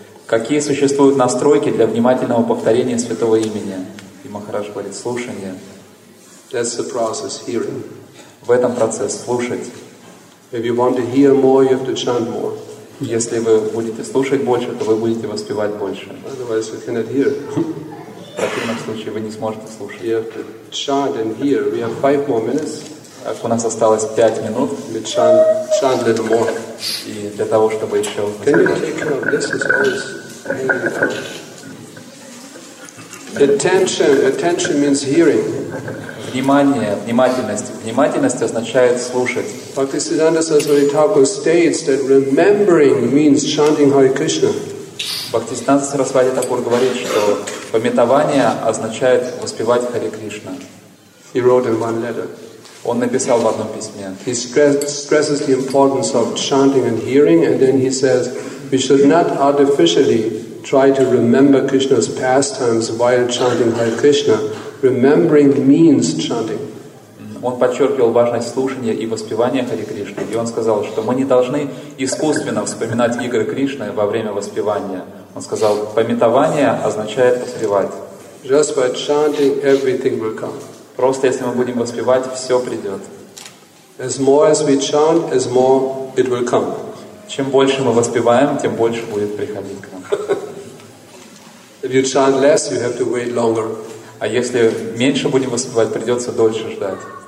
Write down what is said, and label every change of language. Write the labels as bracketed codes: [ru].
[ru] Какие существуют настройки для внимательного повторения святого имени? И Махарадж говорит, слушание. [en] That's the process, hearing. [ru] В этом процесс слушать. [en] If you want to hear more, you have to chant more. [ru] Если вы будете слушать больше, то вы будете воспевать больше. [en] Otherwise, you cannot hear. [ru] В противном случае вы не сможете слушать. [en] You have to chant and hear. We have 5 more minutes. [ru] У нас осталось 5 минут. [en] We chant a little more. [ru] И для того, чтобы еще... [en] Can you take care of this? It's always... Attention means hearing. [ru] Внимание, внимательность. Внимательность означает слушать. [en] Bhaktisiddhanta Saraswati Thakur states that remembering means chanting Hare Krishna. [ru] Bhaktisiddhanta Saraswati Thakur говорит, что памятование означает воспевать Хари Кришна. [en] He wrote in one letter. [ru] Он написал в одном письме. [en] He stresses the importance of chanting and hearing, and then he says, we should not artificially try to remember Krishna's pastimes while chanting Hare Krishna. Remembering means chanting. [ru] Он подчеркивал важность слушания и воспевания Хари Кришны, и он сказал, что мы не должны искусственно вспоминать игры Кришны во время воспевания. Он сказал, памятование означает воспевать. [en] Just by chanting, everything will come. [ru] Просто если мы будем воспевать, все придет. [en] As more as we chant, as more it will come. [ru] Чем больше мы воспеваем, тем больше будет приходить к нам. [en] If you chant less, you have to wait longer. [ru] А если меньше будем воспевать, придется дольше ждать.